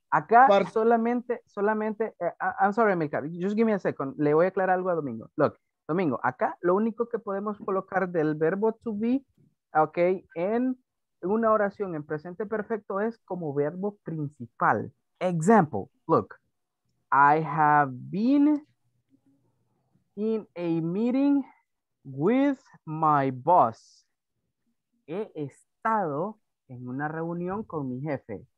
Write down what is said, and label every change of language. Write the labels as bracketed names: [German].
[Spanish] Acá solamente, [English] I'm sorry, Mika, just give me a second, [Spanish] le voy a aclarar algo a Domingo. Look, Domingo, acá lo único que podemos colocar del verbo to be, ok, en una oración en presente perfecto es como verbo principal. [English] Example, look, I have been in a meeting with my boss. [Spanish] He estado en una reunión con mi jefe.